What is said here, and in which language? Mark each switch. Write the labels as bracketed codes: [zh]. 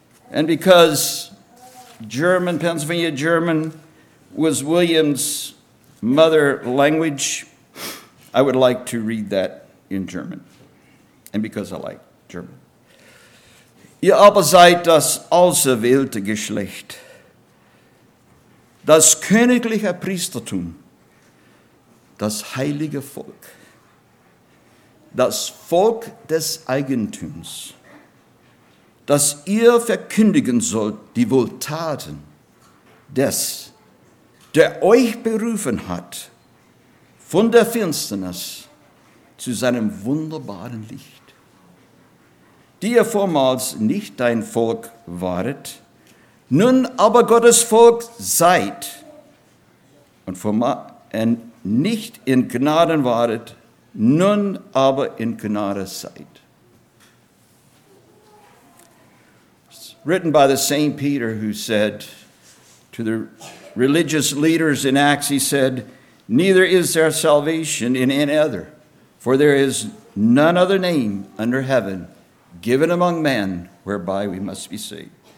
[en] And because German, Pennsylvania German, was William's mother language, I would like to read that in German. And because I like German. [de] Ihr aber seid das auserwählte Geschlecht, das königliche Priestertum, das heilige Volk, das Volk des Eigentums, dass ihr verkündigen sollt die Wohltaten des, der euch berufen hat, von der Finsternis zu seinem wunderbaren Licht. Die ihr vormals nicht dein Volk waret, nun aber Gottes Volk seid und nicht in Gnaden waret, nun aber in Gnade seid. [en] It's written by the same Peter who said to the religious leaders in Acts, he said, neither is there salvation in any other, for there is none other name under heaven given among men, whereby we must be saved.